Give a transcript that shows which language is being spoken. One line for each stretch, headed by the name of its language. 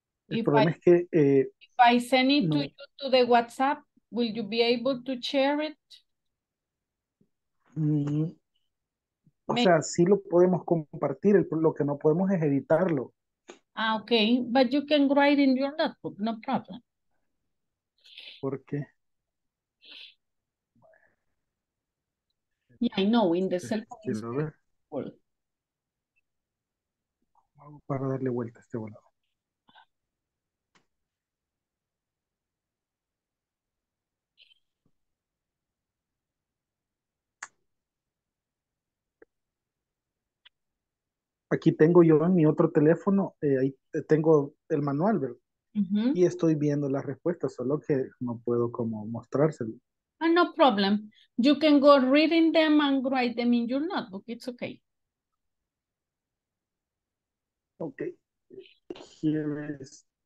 English: If I send it to you to the WhatsApp, will you be able to share it?
Spanish: Sí lo podemos compartir, lo que no podemos es editarlo.
English: Ah, okay, but you can write in your notebook, no problem.
Spanish: ¿Por qué?
English: Yeah, I know, in the cell phone.
Spanish: Sí, ¿cómo hago para darle vuelta a este volado? Aquí tengo yo en mi otro teléfono, ahí tengo el manual, ¿verdad? Uh-huh. Y estoy viendo las respuestas, solo que no puedo como mostrárselo.
English: Oh, no problem. You can go reading them and write them in your notebook. It's okay. Okay. Here is.